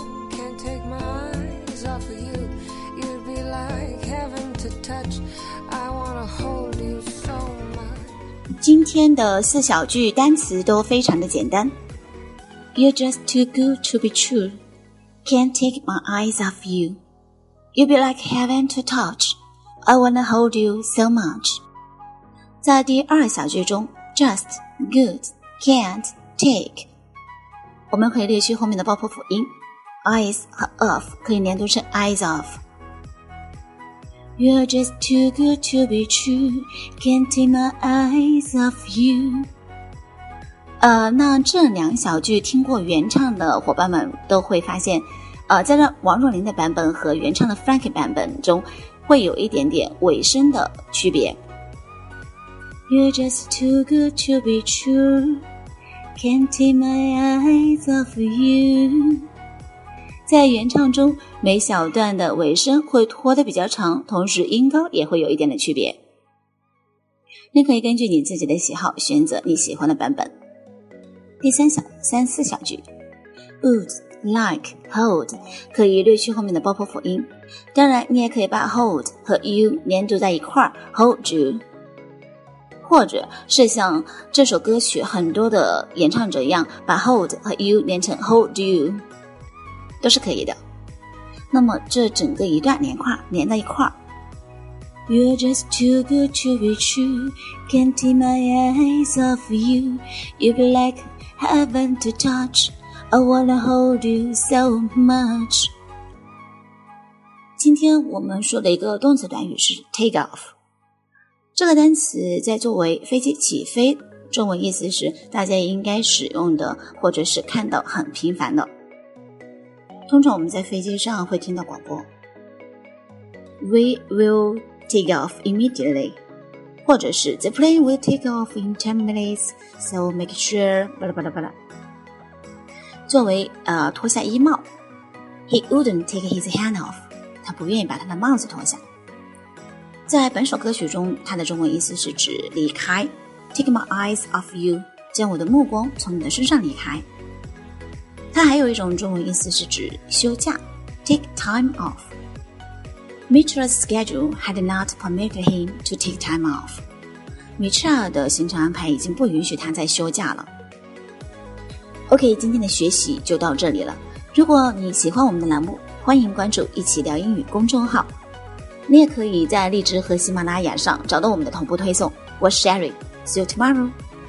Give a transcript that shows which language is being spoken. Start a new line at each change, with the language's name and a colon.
English: Can't take my eyes off of you. You'd be like heaven to touch. I wanna hold you so much.
Chinese: 今天的四小句单词都非常的简单。
English: You're just too good to be true. Can't take my eyes off you. You'd be like heaven to touch. I wanna hold you so much.
Chinese: 在第二小句中 ，
English: just good can't take.
Chinese: 我们可以略去后面的爆破辅音 eyes 和 of 可以连读成 eyes of。
English: You're just too good to be true, can't take my eyes off you。
Chinese: 那这两小句听过原唱的伙伴们都会发现，在这王若琳的版本和原唱的 Frankie 版本中会有一点点尾声的区别。
English: You're just too good to be trueCan't take my eyes off you。
Chinese: 在原唱中每小段的尾声会拖得比较长，同时音高也会有一点的区别，你可以根据你自己的喜好选择你喜欢的版本。第三小三四小句 Would, like, hold 可以略去后面的爆破辅音，当然你也可以把 hold 和 you 连读在一块 hold you，或者是像这首歌曲很多的演唱者一样，把 hold 和 you 连成 hold you 都是可以的。那么这整个一段连跨连在一块儿。
English: You're just too good to be true, can't take my eyes off you. You'd be like heaven to touch, I wanna hold you so much.
Chinese: 今天我们说的一个动词短语是 take off，这个单词在作为飞机起飞中文意思时，大家应该使用的或者是看到很频繁的。通常我们在飞机上会听到广播
English: We will take off immediately，
Chinese: 或者是
English: The plane will take off in 10 minutes so make sure
Chinese: 巴拉巴拉巴拉。作为脱下衣帽
English: He wouldn't take his hand off，
Chinese: 他不愿意把他的帽子脱下。在本首歌曲中，它的中文意思是指离开 ，
English: take my eyes off you，
Chinese: 将我的目光从你的身上离开。它还有一种中文意思是指休假 ，take time off。
English: Mitra's schedule had not permitted him to take time off。
Chinese: Mitra 的行程安排已经不允许他在休假了。
English: OK，
Chinese: 今天的学习就到这里了。如果你喜欢我们的栏目，欢迎关注“一起聊英语”公众号。你也可以在荔枝和喜马拉雅上找到我们的同步推送。我是 Sherry,
English: see you tomorrow.